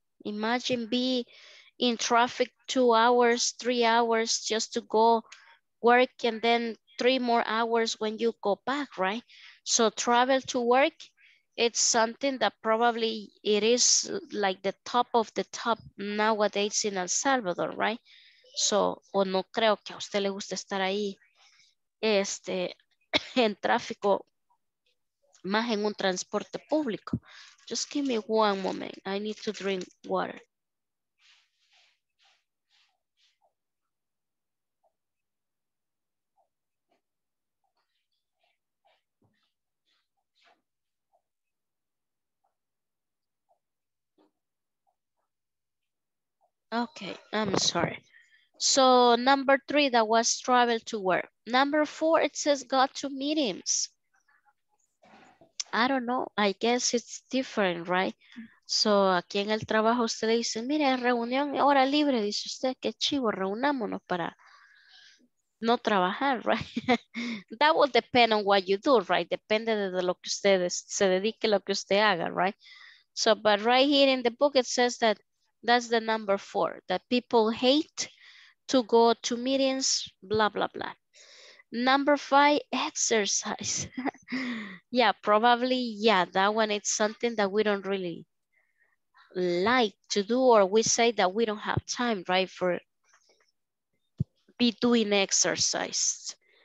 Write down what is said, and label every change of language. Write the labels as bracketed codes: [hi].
[en] Imagine be in traffic 2 hours, 3 hours just to go work and then 3 more hours when you go back, right? So travel to work, it's something that probably it is like the top of the top nowadays in El Salvador, right? [es] So, o no creo que a usted le guste estar ahí en tráfico, más en un transporte público. [en] Just give me one moment. I need to drink water. Okay, I'm sorry. So number three, that was travel to work. Number four, it says go to meetings. I don't know, I guess it's different, right? [es] So aquí en el trabajo usted le dice, mire, reunión, hora libre, dice usted, qué chivo, reunámonos para no trabajar, right? [en] That will depend on what you do, [es] right? Depende de lo que usted se dedique, lo que usted haga, right? [en] So, but right here in the book, it says that that's the number four, that people hate to go to meetings, blah, blah, blah. Number five, exercise. Yeah, probably, yeah, that one, it's something that we don't really like to do, or we say that we don't have time, right, for be doing exercise.